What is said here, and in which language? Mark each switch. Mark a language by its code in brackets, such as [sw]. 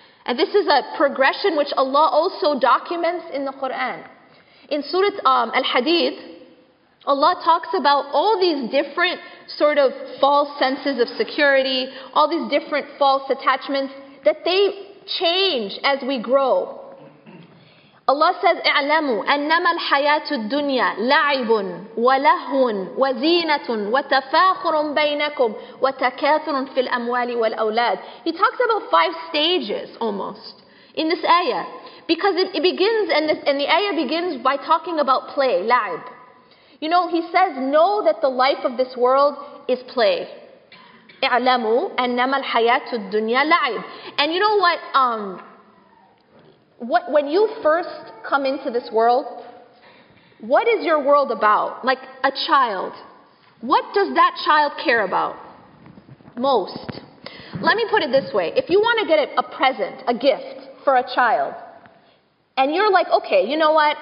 [en] And this is a progression which Allah also documents in the Quran. In Surah Al-Hadid, Allah talks about all these different sort of false senses of security, all these different false attachments, that they change as we grow. Allah says, [ar] اعلموا أنما الحياة الدنيا لعب ولهو وزينة وتفاخر بينكم وتكاثر في الأموال والأولاد. [en] He talks about five stages almost in this ayah. Because it begins, and the ayah begins by talking about play, la'ib. You know, he says, know that the life of this world is play. [ar] اعلموا أنما الحياة الدنيا لعب. [en] And you know what? When you first come into this world, what is your world about? Like a child. What does that child care about most? Let me put it this way. If you want to get a present, a gift for a child, and you're like, okay, you know what?